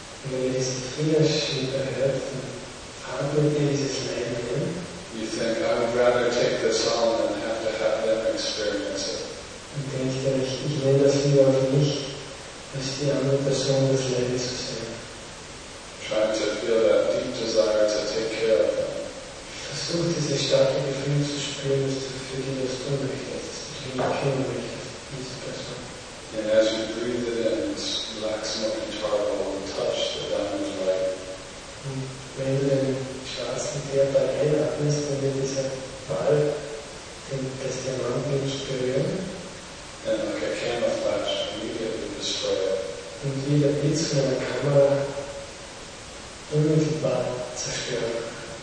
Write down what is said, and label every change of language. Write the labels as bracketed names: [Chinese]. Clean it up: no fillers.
[German] wenn ihr diesen Fingerschnipper hört, atmet ihr dieses Leiden hin. [English] You think, I would rather take this on than have to have them experience it. [German] Und denkt euch, ich nehme das lieber auf mich, als die andere Person des Lebens zu sehen. [English] Trying to feel that deep desire to take care of them. [German] Versucht dieses starke Gefühl zu spüren, dass du für die das tun möchtest, dass du dich kümmern möchtest, diese Person. [English] And as you breathe it in, it's relaxing up your heart and touch the diamond light. [German] Und wenn du den schwarzen Körper einatmest, dann wird dieser Ball das Diamantenlicht berühren. [English] And like a camera flash, immediately destroy it. [German] Und wie der Blitz von einer Kamera unmittelbar zerstören.